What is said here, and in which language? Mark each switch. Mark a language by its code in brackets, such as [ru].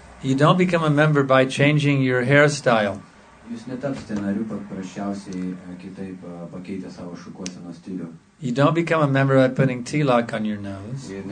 [en] You don't become a member by changing your hairstyle. [lt] Jūs netapsite nariu paprasčiausiai kitaip pakeitę savo šukuoseno stilių. [en] You don't become a member by putting tilak on your nose.